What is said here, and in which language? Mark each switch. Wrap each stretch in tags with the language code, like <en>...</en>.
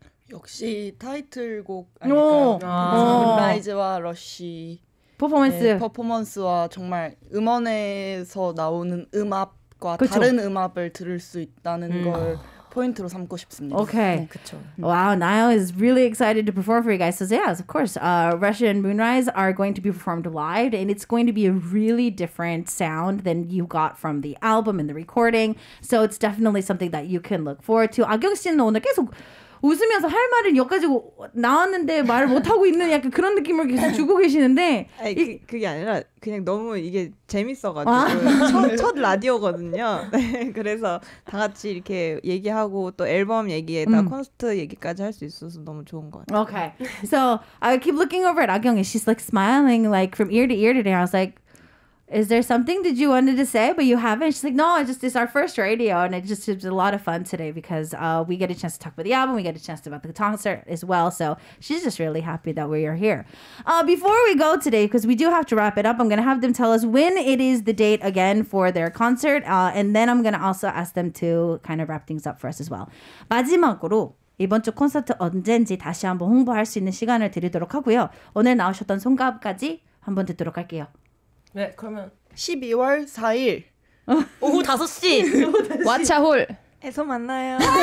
<ko>역시 타이틀곡 아닐까요? 선라이즈와 러쉬 퍼포먼스 네, 퍼포먼스와 정말 음원에서 나오는 음압과 그쵸? 다른 음압을 들을 수 있다는 걸 포인트로 삼고 싶습니다. Okay. 네, 그렇죠.</ko> <en>Wow, Niall is really excited to perform for you guys. So yes, of course, Russia and Moonrise are going to be performed live, and it's going to be a really different sound than you got from the album and the recording. So it's definitely something that you can look forward to.</en> <ko>아경 씨는 오늘 계속 웃으면서 할 말은 여기까지 나왔는데 말을 못하고 있는 약간 그런 느낌을 계속 주고 계시는데 아니, 그게 아니라 그냥 너무 이게 재밌어가지고 아? 첫 라디오거든요. 네, 그래서 다 같이 이렇게 얘기하고 또 앨범 얘기에다 콘서트 얘기까지 할 수 있어서 너무 좋은 것 같아요.</ko> <en>Okay. So I keep looking over at 아경이. She's like smiling like from ear to ear today. I was like, is there something that you wanted to say but you haven't? She's like, no, it's our first radio, and it just is a lot of fun today because we get a chance to talk about the album, we get a chance to about the concert as well, so she's just really happy that we are here. Before we go today, because we do have to wrap it up, I'm going to have them tell us when it is the date again for their concert, and then I'm going to also ask them to kind of wrap things up for us as well.</en> <ko>마지막으로 이번 주 콘서트 언제인지 다시 한번 홍보할 수 있는 시간을 드리도록 하고요. 오늘 나오셨던 손가락까지 한번 듣도록 할게요. 네, 그러면 12월 4일 오후 5시 왓챠홀 에서 만나요.</ko>